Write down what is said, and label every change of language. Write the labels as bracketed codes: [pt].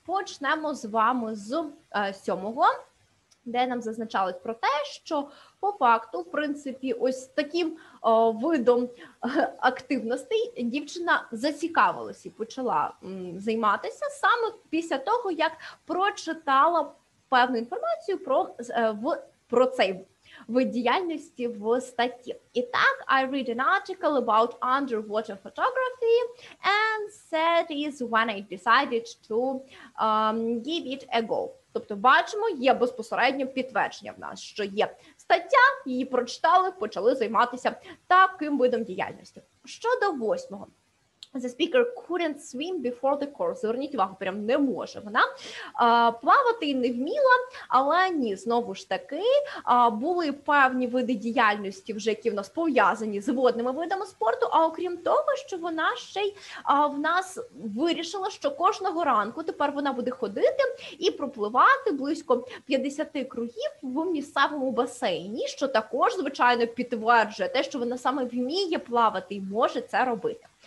[uk] Почнемо з вами з сьомого, де нам зазначали про те, що по факту, в принципі, ось таким видом активностей дівчина зацікавилась і почала займатися саме після того, як прочитала певну інформацію про цей вид діяльності в статті. [en] І так, I read an article about underwater photography and that is when I decided to give it a go. [uk] Тобто бачимо, є безпосереднє підтвердження в нас, що є стаття, її прочитали, почали займатися таким видом діяльності. Щодо восьмого. [en] The speaker couldn't swim before the course. [uk] Зверніть увагу, прям не може вона плавати не вміла, але ні, знову ж таки, були певні види діяльності, вже які в нас пов'язані з водними видами спорту, а окрім того, що вона ще й в нас вирішила, що кожного ранку тепер вона буде ходити і пропливати близько 50 кругів в місцевому басейні, що також, звичайно, підтверджує те, що вона саме вміє плавати і може це робити.